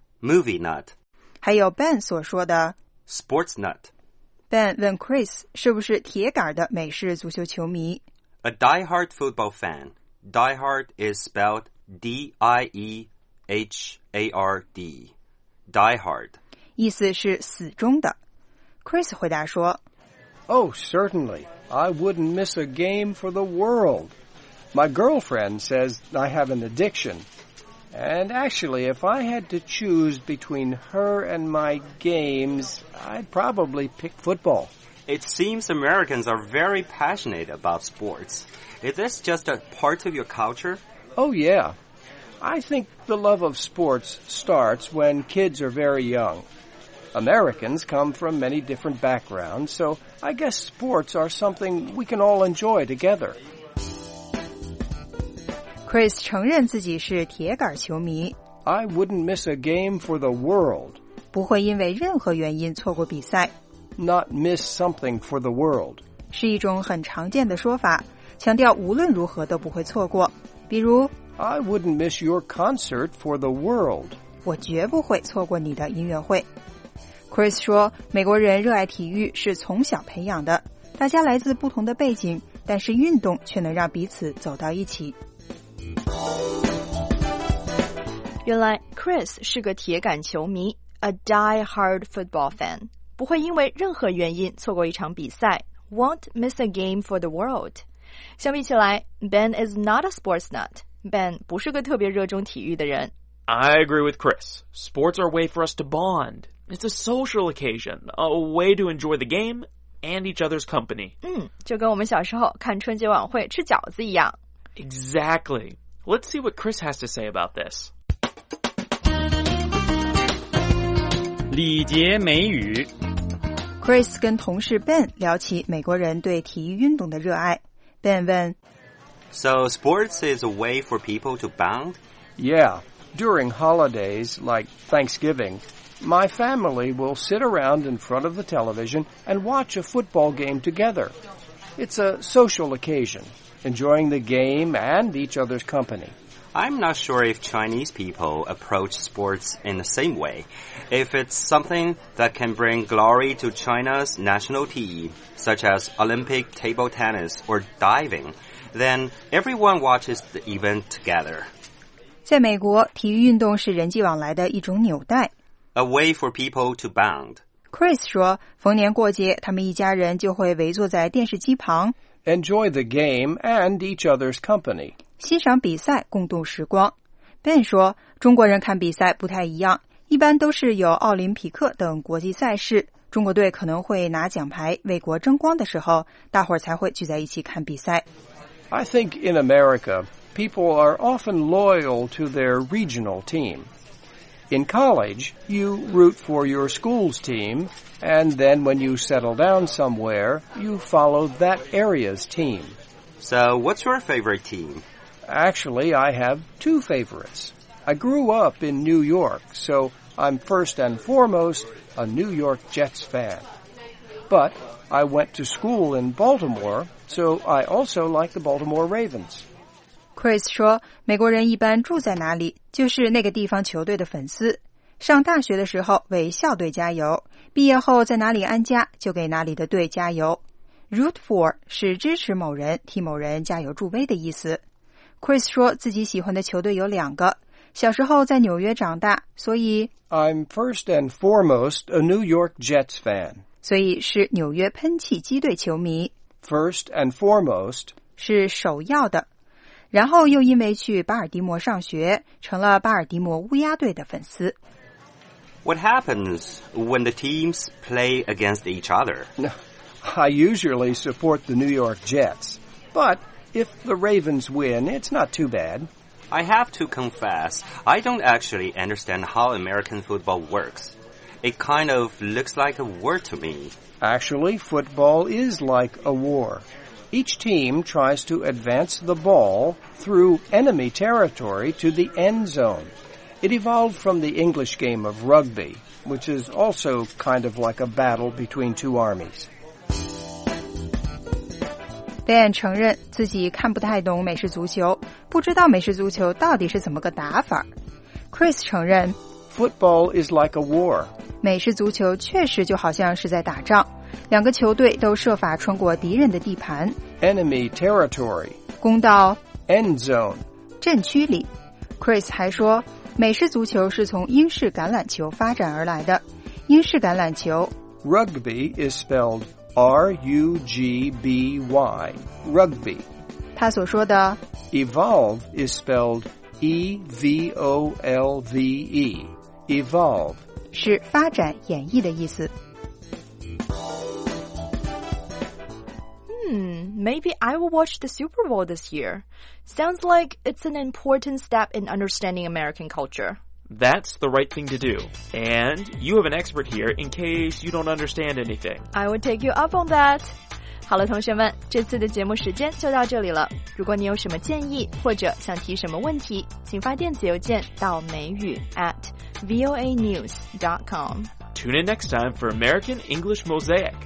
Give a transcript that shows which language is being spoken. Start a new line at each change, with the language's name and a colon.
English: Movie nut.
Chinese: 还有 Ben 所说的
English: Sports nut.
Chinese: Ben 问 Chris 是不是铁杆的美式足球球迷。
English: A diehard football fan. Diehard is spelled D-I-E-H-A-R-D. Diehard.
Chinese: 意思是死忠的。Chris 回答说
English: Oh, certainly. I wouldn't miss a game for the world. My girlfriend says I have an addiction. And actually, if I had to choose between her and my games, I'd probably pick football. It seems Americans are very passionate about sports. Is this just a part of your culture? Oh, yeah. I think the love of sports starts when kids are very young. Americans come from many different backgrounds, so I guess sports are something we can all enjoy together.
Chinese: Chris 承认自己是铁杆球迷。
English: I wouldn't miss a game for the world.
Chinese: 不会因为任何原因错过比赛。
English: Not miss something for the world.
Chinese: 是一种很常见的说法，强调无论如何都不会错过。比如
English: I wouldn't miss your concert for the world.
Chinese: 我绝不会错过你的音乐会。Chris 说，美国人热爱体育是从小培养的，大家来自不同的背景，但是运动却能让彼此走到一起。原来 Chris 是个铁杆球迷，
English: a die-hard football fan，
Chinese: 不会因为任何原因错过一场比赛，
English: won't miss a game for the world。
Chinese: 相比起来，
English: Ben is not a sports nut，
Chinese: Ben 不是个特别热衷体育的人。
English: I agree with Chris. Sports are a way for us to bond. It's a social occasion, a way to enjoy the game and each other's company.
Chinese: 就跟我们小时候看春节晚会吃饺子一样。
English: Exactly. Let's see what Chris has to say about this.
Chinese: 礼节美语。 Chris 跟同事 Ben 聊起美国人对体育运动的热爱。 Ben 问
English: So sports is a way for people to bond? Yeah. During holidays, like Thanksgiving, my family will sit around in front of the television and watch a football game together. It's a social occasion, enjoying the game and each other's company. I'm not sure if Chinese people approach sports in the same way. If it's something that can bring glory to China's national team, such as Olympic table tennis or diving, then everyone watches the event together.
Chinese: 在美国，体育运动是人际往来的一种纽带。
English: A way for people to bond.
Chinese: Chris 说，逢年过节，他们一家人就会围坐在电视机旁。
English: Enjoy the game and each other's company.
Chinese: 欣赏比赛，共度时光。 Ben 说，中国人看比赛不太一样，一般都是有奥林匹克等国际赛事，中国队可能会拿奖牌为国争光的时候，大伙儿才会聚在一起看比赛。
English: I think in America... People are often loyal to their regional team. In college, you root for your school's team, and then when you settle down somewhere, you follow that area's team. So, what's your favorite team? Actually, I have two favorites. I grew up in New York, so I'm first and foremost a New York Jets fan. But I went to school in Baltimore, so I also like the Baltimore Ravens.
Chinese: Chris 说，美国人一般住在哪里，就是那个地方球队的粉丝。上大学的时候为校队加油，毕业后在哪里安家，就给哪里的队加油。 Root for 是支持某人，替某人加油助威的意思。 Chris 说自己喜欢的球队有两个，小时候在纽约长大，所以
English: I'm first and foremost a New York Jets fan.
Chinese: 所以是纽约喷气机队球迷。
English: First and foremost
Chinese: 是首要的。然后又因为去巴尔的摩上学，成了巴尔的摩乌鸦队的粉丝。
English: What happens when the teams play against each other? I usually support the New York Jets, but if the Ravens win, it's not too bad. I have to confess, I don't actually understand how American football works. It kind of looks like a war to me. Actually, football is like a war. Each team tries to advance the ball through enemy territory to the end zone. It evolved from the English game of rugby, which is also kind of like a battle between two armies.
Chinese: Ben 承认自己看不太懂美式足球，不知道美式足球到底是怎么个打法。 Chris 承认
English: Football is like a war.
Chinese: 美式足球确实就好像是在打仗。两个球队都设法穿过敌人的地盘
English: Enemy territory
Chinese: 攻到
English: End zone
Chinese: 阵区里 Chris 还说美式足球是从英式橄榄球发展而来的英式橄榄球
English: Rugby is spelled R-U-G-B-Y Rugby
Chinese: 他所说的
English: Evolve is spelled E-V-O-L-V-E Evolve
Chinese: 是发展演绎的意思
English: Maybe I will watch the Super Bowl this year. Sounds like it's an important step in understanding American culture. That's the right thing to do. And you have an expert here in case you don't understand anything. I will take you up on that.
Chinese: 好了，同学们，这次的节目时间就到这里了。如果你有什么建议或者想提什么问题，请发电子邮件到美语 @voanews.com.
English: Tune in next time for American English Mosaic.